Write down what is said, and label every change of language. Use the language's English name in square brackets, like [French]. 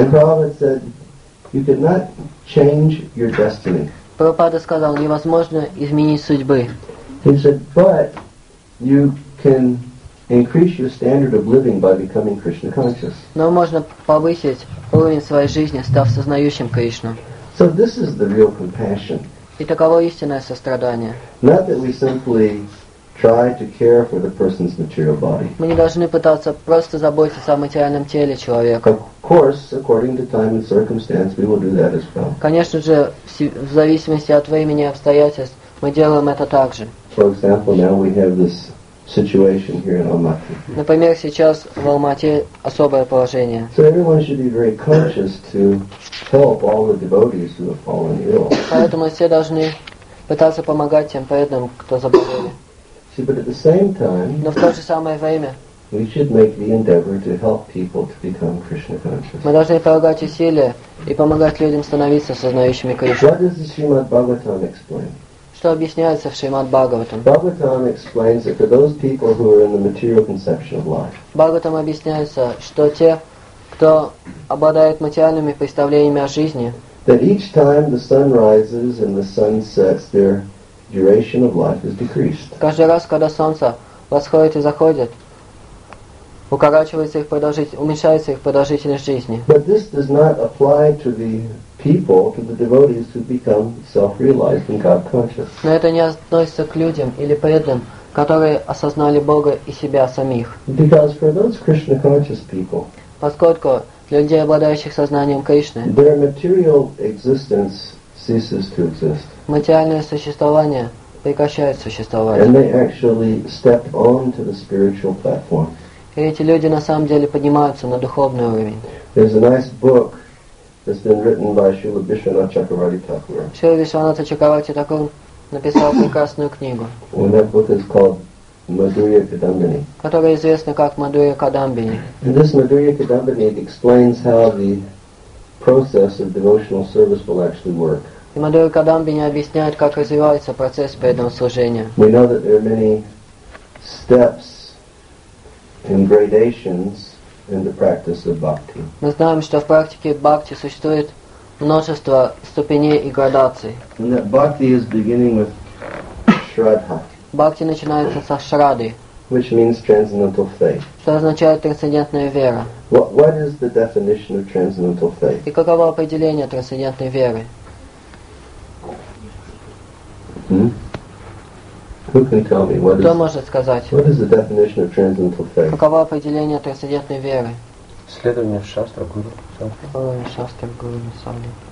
[English] And Prabhupada said, you cannot change your destiny. [Russian] Прабхупада сказал, невозможно изменить судьбы. [English] He said, but you can increase your standard of living by becoming Krishna conscious. [Russian] Но можно повысить уровень своей жизни, став сознающим Кришну. [English] So this is the real compassion. [Russian] И таково истинное сострадание. [English] Not that we simply try to care for the person's material body. [Russian] Мы не должны пытаться просто заботиться о материальном теле человека. [English] Of course, according to time and circumstance, we will do that as well. [Russian] Конечно же, в зависимости от времени и обстоятельств, мы делаем это также. [English] For example, now we have this situation here in Almaty. [Russian] Например, сейчас в Алмате особое положение. [English] So everyone should be very conscious to help all the devotees who have fallen ill. [Russian] Поэтому все должны пытаться помогать тем преданным, кто заболел. [English] See, but at the same time, [Russian] но в то же самое время, [English] we should make the endeavor to help people to become Krishna conscious. [Russian] Мы должны прилагать усилия и помогать людям становиться сознающими Кришну. [English] What does the Srimad Bhagavatam explain? [Russian] Что объясняется в Шримад Бхагаватам? [English] Bhagavatam explains that for those people who are in the material conception of life. [Russian] Бхагаватам объясняется, что те, кто обладает материальными представлениями о жизни, [English] that each time the sun rises and the sun sets, their duration of life is decreased. [Russian] Каждый раз, когда солнце восходит и заходит, укорачивается их уменьшается их продолжительность жизни. [English] But this does not apply to the people, to the devotees who become self-realized and God-conscious. [Russian] Но это не относится к людям или преданным, которые осознали Бога и себя самих. [English] Because for those Krishna-conscious people, [Russian] поскольку людей, обладающих сознанием Кришны, [English] their material existence ceases to exist. [Russian] Материальное существование прекращает существовать. [English] And they actually step onto the spiritual platform. [Russian] И эти люди на самом деле поднимаются на духовный уровень. [English] There's a nice book. It's been written by Śrīla Biśvanātha Chakravarti Thakura. [Russian] Śrīla Biśvanātha Chakravarti Thakura написал прекрасную книгу. [English] And that book is called Madhurya Kadambini. [Russian] Которая известна как Madhurya Kadambini. [English] And this Madhurya Kadambini explains how the process of devotional service will actually work. [Russian] И Madhurya Kadambini объясняет, как развивается процесс преданного служения. [English] We know that there are many steps and gradations in the practice of bhakti. [Russian] Мы знаем, что в практике бхакти существует множество ступеней и градаций. [English] And that bhakti is beginning with shraddha. [Russian] Бхакти начинается со шрадды. [English] Which means transcendental faith. [Russian] Что означает трансцендентная вера. [English] What is the definition of transcendental faith? [Russian] И каково определение трансцендентной веры? [English] Who can tell me what is the definition of transcendental faith? [Russian] Каково определение трансцендентной веры? Следование шастра гуру. Следование шастра гуру сами.